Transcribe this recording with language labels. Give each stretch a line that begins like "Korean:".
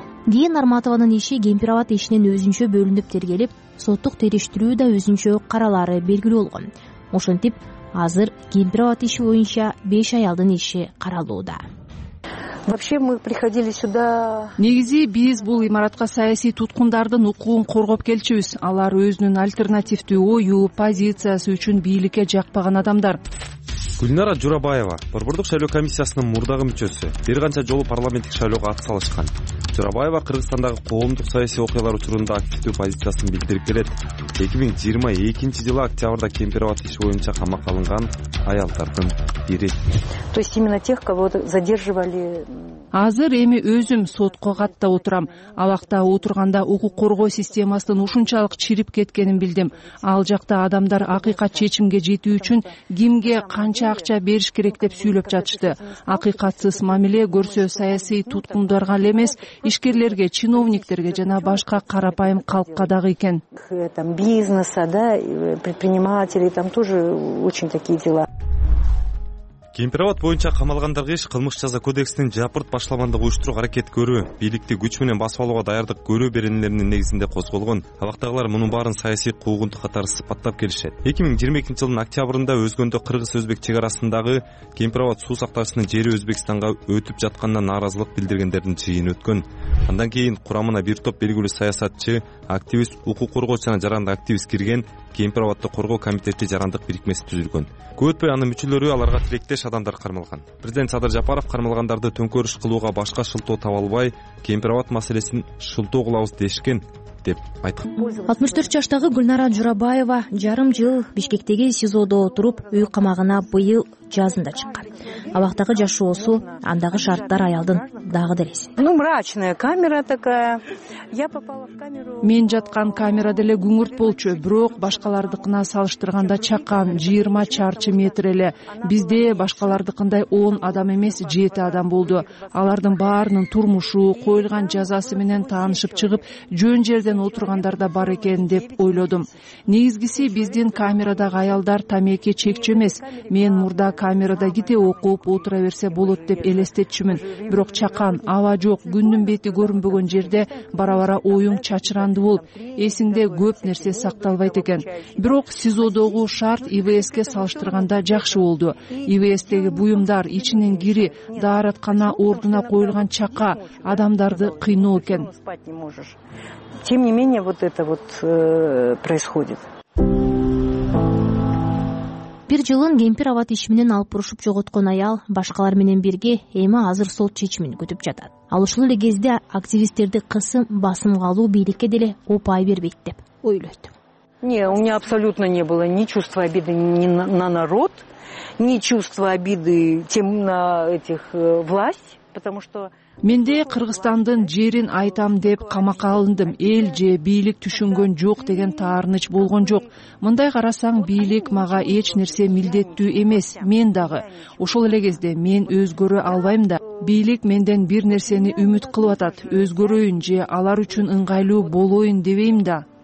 Kyrgyz: Кийин Нарматованын иши Кемпир Ават ишинен өзүнчө бөлүнүп тергелип, соттук териштирүү да өзүнчө каралары белгилүү болгон. Ошентип, азыр Кемпир Ават иши боюнча 5 аялдын иши каралууда.
Russian: Вообще мы приходили сюда.
Kyrgyz: Негизи биз бул имаратка саясий туткундардын укугун коргоп келчүбүз. Алар өзүнүн альтернативдүү оюу, позициясы үчүн бийликке жакпаган адамдар. Гүлнара Журабаева борбордук шайлоо комиссиясынын мурдагы мүчөсү, бир канча жолу парламенттик шайлоого ат салышкан. Журабаева Кыргызстандагы коомдук саясий окуялар учурунда активдүү позициясын билдирип келет. 2022-жылы октябрда Кемпир Ават иши боюнча камакка алынган аялдардын бири.
Russian: То есть именно тех, кого задерживали.
Kyrgyz: Азыр эми өзүм сотко каттап отурам. Абакта отурганда укук коргоо системасынын ушунчалык чирип кеткенин билдим. Ал жакта адамдар акыйкат чечимге жетүү үчүн кимге канча акча бериш керек деп сүйлөп жатышты. Акыйкатсыз мамиле көрсө саясий туткундарга эле эмес, ишкерлерге, чиновниктерге жана башка карапайым калкка дагы экен.
Russian: Там бизнеса, да, предприниматели, там тоже очень такие дела.
Kyrgyz: Кемпироват боюнча камалгандарга иш кылмыш жаза кодексинин жапырт башламандык уюштуруу аракет көрүү, бийликти күч менен басып алууга даярдык көрүү беренелеринин негизинде козголгон. Абактагылар мунун баарын саясий куугунтук катары сыпаттап келишет. 2022 жылдын октябрында өзгөндө кыргыз өзбек чек арасындагы Кемпироват суу сактагычынын жери Өзбекстанга өтүп жатканына нааразылык билдиргендердин жыйыны өткөн. Андан кийин курамына бир топ белгилүү саясатчы, активист, укук коргоочу жана жарандык активист кирген Кемпироватты коргоо комитети жарандык бирикмеси түзүлгөн. Көп өтпөй анын мүчөлөрү аларга тилектеш адамдар кармалган. Президент Садыр Жапаров кармалгандарды төңкөрүш кылууга башка шылтоо таба албай, Кемпироват маселесин шылтоо кылабыз дешкен деп айткан. 64 жаштагы Гүлнара Журабаева жарым жыл Бишкектеги СИЗОдо отуруп, үй камагына быйыл жазында чыккан. Абактагы жашоосу, андагы шарттар аялдын дагы дерес.
Russian: Ну, мрачная камера такая. Я попала в камеру.
Kyrgyz: Мен жаткан камера деле күңүрт болчу, бирок башкалардыкына салыштырганда чакан 20 чарчы метр эле. Бизде башкалардыкындай 10 адам эмес, 7 адам болду. Алардын баарынын турмушу, коюлган жазасы менен таанышып чыгып, жөн жерден отургандар да бар экен деп ойлодум. Негизгиси биздин камерадагы аялдар тамеки чекчү эмес. Мен мурда камерада кете окуп отура берсе болот деп элестетчүмүн. Бирок чакан, аба жок, күндүн бети көрүнбөгөн жерде бара-бара оюң чачыранды болуп, эсиңде көп нерсе сакталбайт экен. Бирок СИЗОдогу шарт ИВСке салыштырганда жакшы болду. ИВСтеги буюмдар, ичинен кири, дааратканага ордуна коюлган чака адамдарды кыйноо экен.
Russian: Тем не менее, вот это вот происходит.
Kyrgyz: Бир жылын Кемпир абат иши менен алып урушуп жоготкон аял башкалар менен бирге эми азыр сот чечимин күтүп жатат. Ал ушул эле кезде активисттерди кысым басымга алуу бийликке деле упай бербейт деп ойлойт.
Russian: Не, у меня абсолютно не было ни чувства обиды ни на народ, ни чувства обиды тем на этих власть, потому что
Kyrgyz: менде Кыргызстандын жерин айтам деп камакка алындым. Эл же бийлик түшүнгөн жок деген таарыныч болгон жок. Мындай карасаң, бийлик мага эч нерсе милдеттүү эмес. Мен дагы ошол эле кезде мен өзгөрө албайм да. Бийлик менден бир нерсени үмүт кылып атат. Өзгөрөйүн же алар үчүн ыңгайлуу болоюн дебейм да.